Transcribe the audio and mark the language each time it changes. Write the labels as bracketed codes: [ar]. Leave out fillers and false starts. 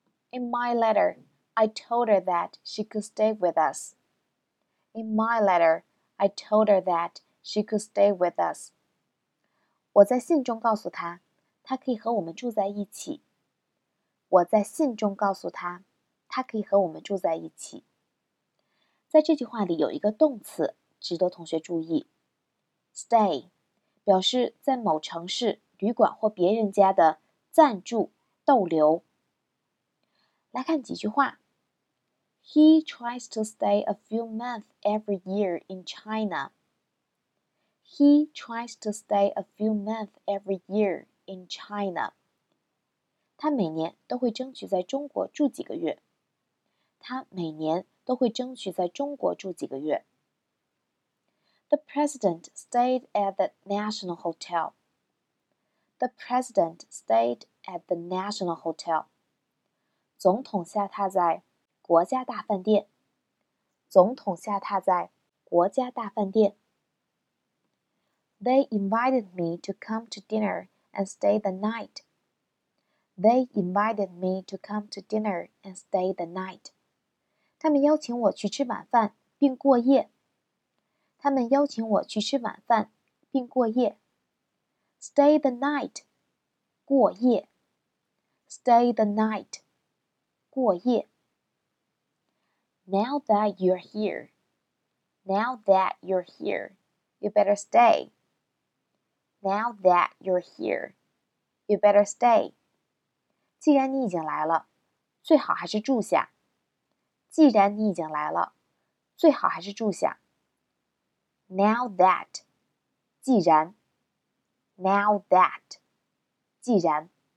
[en] In my letter, I told her that she could stay with us. In my letter, I told her that she could stay with us. [zh] 我在信中告诉她，她可以和我们住在一起。我在信中告诉她，她可以和我们住在一起。在这句话里有一个动词值得同学注意， stay 表示在某城市、旅馆或别人家的暂住、逗留。来看几句话。 [en] He tries to stay a few months every year in China. He tries to stay a few months every year in China. [zh] 他每年都会争取在中国住几个月。他每年都会争取在中国住几个月。 [en] The president stayed at the National Hotel. The president stayed at the National Hotel. [zh] 总统下榻在国家大饭店。总统下榻在国家大饭店。 [en] They invited me to come to dinner and stay the night. They invited me to come to dinner and stay the night. [zh] 他们邀请我去吃晚饭并过夜。他们邀请我去吃晚饭并过夜。 [en] Stay the night, [zh] 过夜。 [en] Stay the night, 过夜。 Now that you're here, now that you're here, you better stay. Now that you're here, you better stay. [zh] 既然你已经来了，最好还是住下。既然你已经来了，最好还是住下。 [en] Now that, [zh] 既然。 [en] Now that, 既然。